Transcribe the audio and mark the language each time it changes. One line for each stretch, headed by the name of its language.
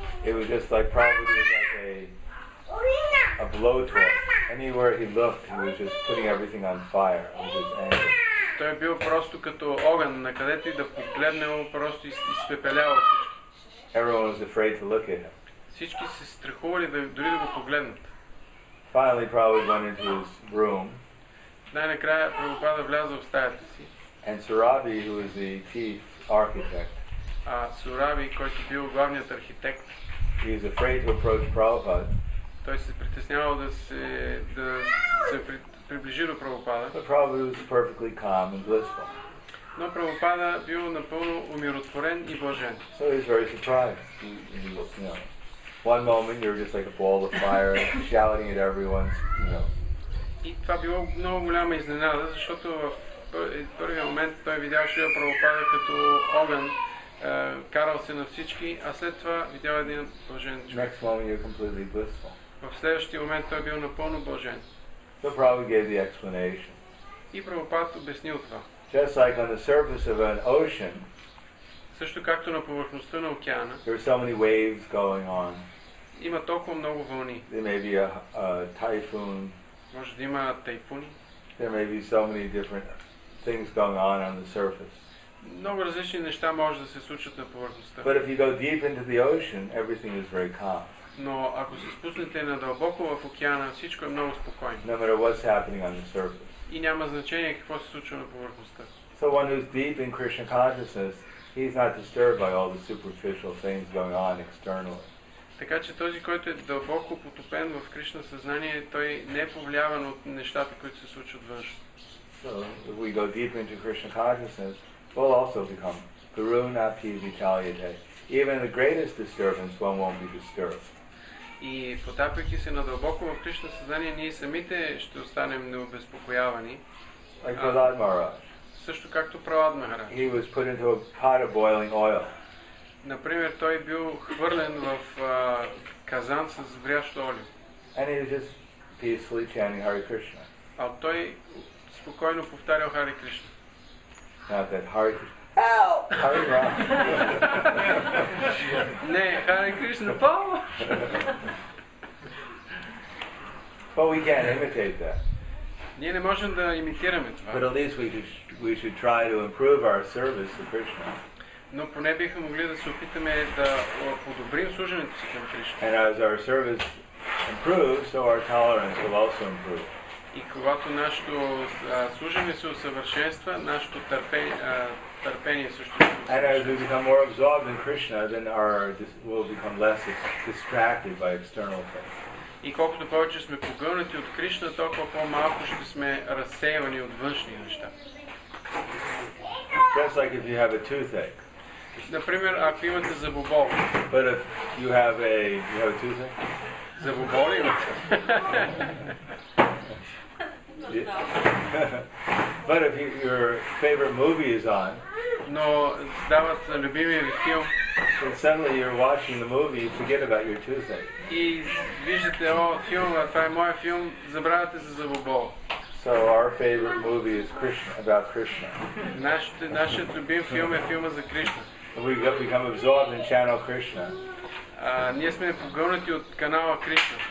English: It was just like probably like a blow to him. Anywhere he looked, he was just putting everything on fire with his anger.
Bulgarian: Той бил просто като огън, на където и да погледне, просто изпепелявал всички.
English: Everyone was afraid to look at him.
Bulgarian: Всички се страхували дори да го погледнат.
English: Finally, Prabhupada went into his room.
Bulgarian: Най-накрая Прабхупада влязъл в стаята си.
English: And Surabhi, who was the chief architect.
Bulgarian: А Surabhi, който бил главният архитект.
English: He was afraid to approach Prabhupada.
Bulgarian: Той се притеснявал да се приближи до Прабхупада.
English: But Prabhupada was perfectly calm and blissful.
Bulgarian: Но Прабхупада бил напълно умиротворен и блажен.
English: So he was very surprised. You know, one moment you're just like a ball of fire, shouting at everyone, you know.
Bulgarian: И това било много голяма изненада, защото в първия момент той видял Шрила Прабхупада като огън, карал се на всички, а след това видял един блажен човек.
English: Next moment you're completely blissful.
Bulgarian: В следващия момент той бил напълно блажен.
English: So Prabhupada gave the explanation.
Bulgarian: И Прабхупада обяснил това.
English: Just like on the surface of an ocean.
Bulgarian: Също както на повърхността на океана.
English: There are so many waves going on.
Bulgarian: Има толкова много вълни.
English: There may be a typhoon.
Bulgarian: Може да има тайфуни.
English: There may be so many different things going on the surface.
Bulgarian: Много различни неща може да се случат на повърхността.
English: But if you go deep into the ocean, everything is very calm.
Bulgarian: Но ако се спуснете надълбоко в океана, всичко е много спокойно.
English: No matter what's happening on the surface.
Bulgarian: И няма значение какво се случва на повърхността.
English: So one who's deep in Krishna consciousness, he's not disturbed by all the superficial things going on externally.
Bulgarian: Така че този, който е дълбоко потопен в Кришна съзнание, той не е повлияван от нещата, които се случват външно.
English: So, if we go deep into Krishna consciousness, we'll also become Karuna Pivitalyate. Even the greatest disturbance, one won't be disturbed.
Bulgarian: И потапяйки се надълбоко в Кришна съзнание, ние самите ще останем необезпокоявани.
English: Like Prahlad Maharaj.
Bulgarian: Също както Прахлад Махарадж.
English: He was put into a pot of boiling oil.
Bulgarian: Например, той бил хвърлен в казан с врящо олио.
English: And he was just peacefully chanting Hare Krishna.
Bulgarian: А той спокойно повтарял Hare Krishna.
English: Not that Hare Krishna. Help! Hare Rama.
Bulgarian: Не, Hare Krishna, помощ!
English: But we can't imitate that.
Bulgarian: Ние не можем да имитираме това.
English: But at least we should try to improve our service to Krishna.
Bulgarian: Но поне бихме могли да се опитаме да подобрим служението си към Кришна.
English: And as our service improves, so our tolerance will also improve.
Bulgarian: И когато нашето служение се усъвършенства, нашето търпение също се усъвършенства.
English: And as we become more absorbed in Krishna, then we'll become less distracted by external things.
Bulgarian: И колкото повече сме погълнати от Кришна, толкова по-малко ще сме разсеявани от външни неща.
English: Just like if you have a toothache.
Bulgarian: Например, ако имате зъбобол.
English: But if you have a... You have a toothache?
Bulgarian: Зъбобол имате.
English: But if your favorite movie is on.
Bulgarian: Но дават любимия ви филм.
English: And suddenly you're watching the movie, you forget about your toothache.
Bulgarian: И виждате, о, филм, това е моя филм, забравяте за зъбобол.
English: So our favorite movie is Krishna, about Krishna.
Bulgarian: Нашият любим филм е филма за Кришна.
English: We become absorbed in channel Krishna.
Bulgarian: Ние сме погълнати от канала Кришна.